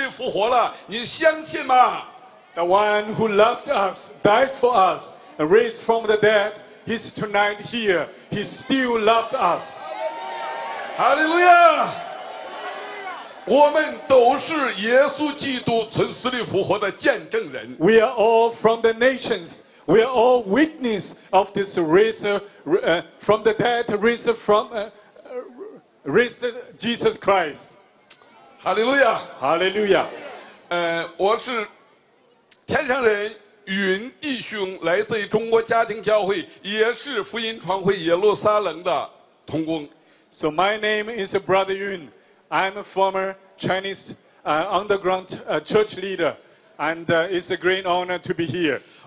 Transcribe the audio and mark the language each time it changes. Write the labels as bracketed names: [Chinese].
[Chinese] 我们中间你真的相信耶稣不单是爱你他为你的罪被钉在十字架上死了而且他从死里复活了你相信吗? [English] The one who loved us, died for us, and raised from the dead, he's tonight here. He still loves us. Hallelujah! [Chinese] 我们都是耶稣基督从死里复活的见证人。 [English] We are all from the nations. We are all witness of this raised from the dead, raised from raised Jesus Christ. Hallelujah! Hallelujah! [Chinese] 我是天上人云弟兄，来自于中国家庭教会，也是福音传会耶路撒冷的同工。 [English] So my name is Brother Yun. I'm a former Chinese underground church leader, and it's a great honor to be here.